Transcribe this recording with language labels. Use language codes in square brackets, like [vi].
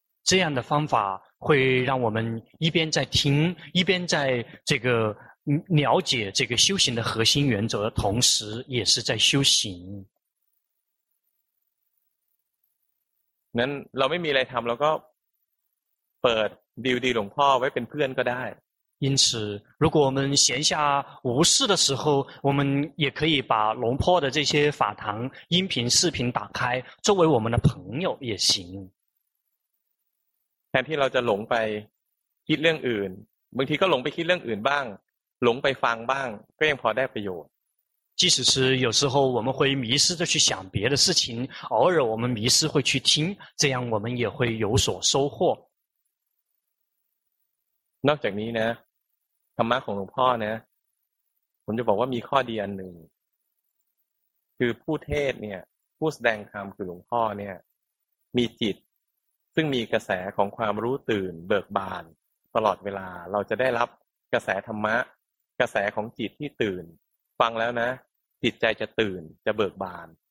[zh] 这样的方法会让我们一边在听一边在这个了解这个修行的核心原则同时也是在修行 [th] นั้นเราไม่มีอะไรทำเราก็เปิดดีวดีหลวงพ่อไว้เป็นเพื่อนก็ได้ [zh] 因此如果我们闲暇无事的时候我们也可以把龙坡的这些法堂音频视频打开作为我们的朋友也行 [th] แทนที่เราจะหลงไปคิดเรื่องอื่นบางทีก็หลงไปคิดเรื่องอื่นบ้างหลงไปฟังบ้างก็ยังพอได้ประโยชน์ [zh] 即使是有时候我们会迷失的去想别的事情偶尔我们迷失会去听这样我们也会有所收获 [th] นอกจากนี้นะธรรมะของหลวงพ่อนะผมจะบอกว่ามีข้อดีอันหนึ่งคือผู้เทศเนี่ยผู้แสดงธรรมคือหลวงพ่อเนี่ยมีจิตซึ่งมีกระแสของความรู้ตื่นเบิกบานตลอดเวลาเราจะได้รับกระแสธรรมะกระแสของจิตที่ตื่นฟังแล้วนะจิตใจจะตื่นจะเบิกบาน